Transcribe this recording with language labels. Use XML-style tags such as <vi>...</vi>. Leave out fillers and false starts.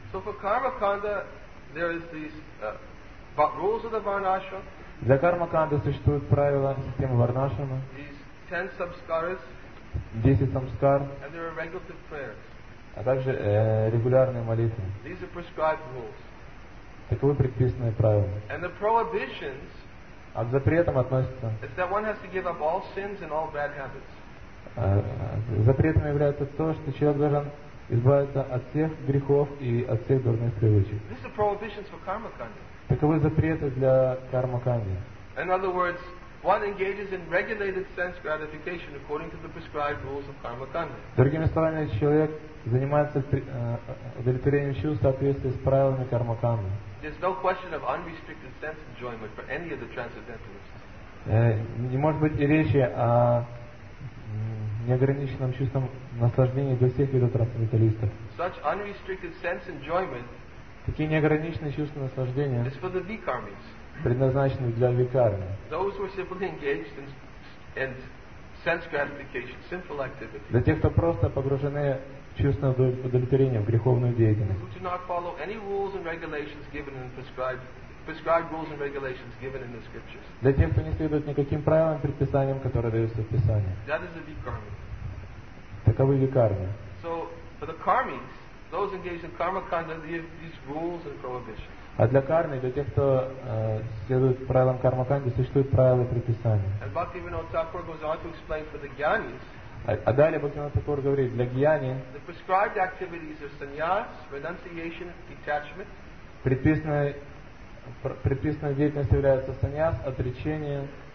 <en>So for karma kanda, there is these rules of the varnashram.</en> <ru>Для карма канда существуют правила системы варнашрама.</ru> <en>These 10 samskaras.</en> <ru>10 самскар.</ru> <en>And there are regulative prayers.</en> <ru>А также регулярные молитвы.</ru> <en>These are prescribed rules.</en> <ru>Таковы предписанные правила.</ru> <en>And the prohibitions.</en> <ru>А к запретам относятся.</ru> <en>Is that one has to give up all sins and all bad habits.</en> <ru>Запретом является то, что человек должен избавиться от всех грехов и от всех дурных привычек.</ru> <en>This is prohibitions for karma kanda.</en> <ru>Таковы запреты для карма канды.</ru> <en>In other words, one engages in regulated sense gratification according to the prescribed rules of karma kanda.</en> <ru>Другими словами, человек занимается удовлетворением чувств в соответствии с правилами карма канды.</ru> <en>There's no question of unrestricted sense enjoyment for any of the transcendentalists.</en> <ru>Не может быть и речи о неограниченным чувством наслаждения для всех видов трансценденталистов.</ru> <en>Such unrestricted sense enjoyment.</en> <ru>Такие неограниченные чувства наслаждения.</ru> <en>Is for the vikarmis.</en> <ru>Предназначены для викарми.</ru> <en>Those who are simply engaged in sense gratification, sinful activity.</en> <ru>Для тех, кто просто погружены в чувство удовлетворения, в греховную деятельность.</ru> <en>Who do not follow any rules and regulations given in prescribed rules and regulations given in the scriptures.</en> <ru>Для тех, кто не следует никаким правилам и предписаниям, которые даются в Писании.</ru> <en>That is a vikarmi.</en> <ru>Таковы викарми.</ru> <en>So for the karmis, those engaged in karma kanda, these rules and prohibitions.</en> <ru>А для карми, для тех, кто следует правилам карма канды, существуют правила и предписания.</ru> <en>And Bhakti Vinod Thakur goes on to explain for the gyanis.</en> <ru>А далее Бхакти Винод Такур говорит, для гьяни.</ru> <en>The prescribed activities are sannyas, renunciation, detachment.</en> <ru>Предписанная деятельность является саньяс, отречение,</ru>